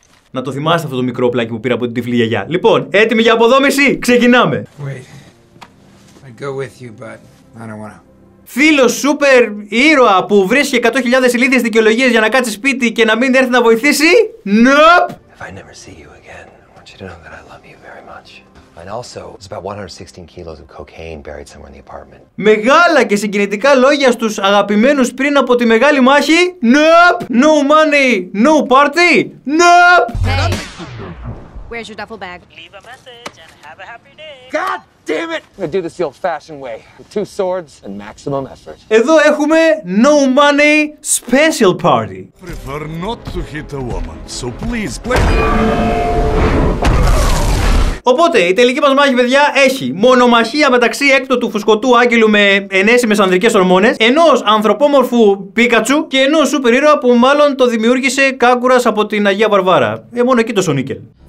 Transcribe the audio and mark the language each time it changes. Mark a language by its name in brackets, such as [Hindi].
[Greek] Να το θυμάστε αυτό το μικρό όπλακι που πήρα από την τυφλή γιαγιά. Λοιπόν, έτοιμοι για αποδόμηση, ξεκινάμε. [English] I'd go with you, but I don't wanna. [Greek] Φίλος σούπερ ήρωα που βρίσκει 100.000 ηλίθιες δικαιολογίες για να κάτσει σπίτι και να μην έρθει να βοηθήσει. [English] Νοπ! If I never see you again, I want you to know that I love you very much. And also, it's about 116 kilos of cocaine buried somewhere in the apartment. [Greek] Μεγάλα και συγκινητικά λόγια στους αγαπημένους πριν από τη μεγάλη μάχη. [English] Νοπ! No money, no party. Νοπ! Hey, where's your duffel bag? Leave a message and have a happy day. God! Damn it! I do this the old-fashioned way, with two swords and maximum effort. [Greek] Εδώ έχουμε [English] no money special party. Prefer not to hit a woman, so please play. [Greek] Οπότε η τελική μας μάχη, παιδιά, έχει μονομαχία μεταξύ έκτοτου φουσκωτού άγγελου με ενέσιμες ανδρικές ορμόνες, ενός ανθρωπόμορφου Πίκατσου και ενός σούπερ ήρωα που μάλλον το δημιούργησε Κάκουρας από την Αγία Βαρβάρα. Μόνο εκεί το Σονίκελ.